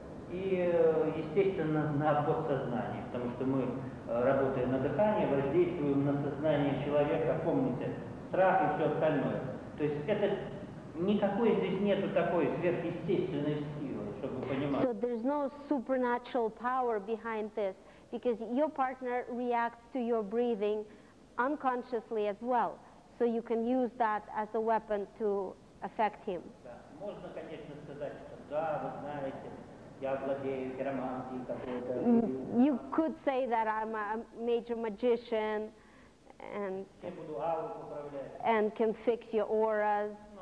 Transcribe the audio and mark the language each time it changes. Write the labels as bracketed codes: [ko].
[ru] И, естественно, на подсознании, потому что мы, работая на дыхании, воздействуем на сознание человека, помните, страх и все остальное. То есть это никакой здесь нету такой сверхъестественной силы, чтобы понимать. [en] So there's no supernatural power behind this, because your partner reacts to your breathing unconsciously as well. So you can use that as a weapon to affect him. [ru] Да. Можно, конечно, сказать, что да, вы знаете. [en] You could say that I'm a major magician and can fix your auras.